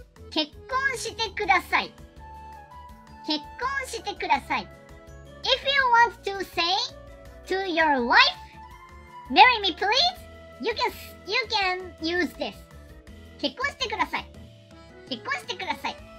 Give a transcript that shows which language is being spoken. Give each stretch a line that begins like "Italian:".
Japanese: 結婚してください、結婚してください。
English: If you want to say to your wife marry me please、 you can use this。
Japanese: 結婚してください、結婚してください。